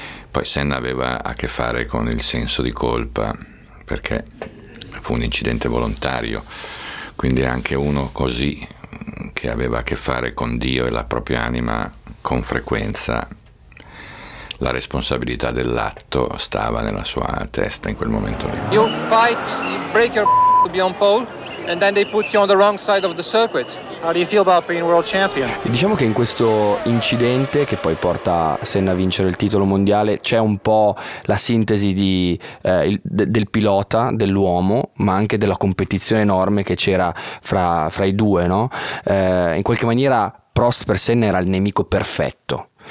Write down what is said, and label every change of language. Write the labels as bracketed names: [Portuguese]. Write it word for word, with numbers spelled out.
[Italian] Poi Senna aveva a che fare con il senso di colpa perché fu un incidente volontario, quindi anche uno così che aveva a che fare con Dio e la propria anima, con frequenza la responsabilità dell'atto stava nella sua testa in quel momento lì. [English] You fight, you break your to be on pole and then they put you on the wrong side of the circuit. How do you feel about being world champion? [Italian] Diciamo che in questo incidente che poi porta Senna a vincere il titolo mondiale c'è un po' la sintesi di, eh, il, de, del pilota, dell'uomo, ma anche della competizione enorme che c'era fra, fra i due, no? Eh, in qualche maniera Prost per Senna era il nemico perfetto.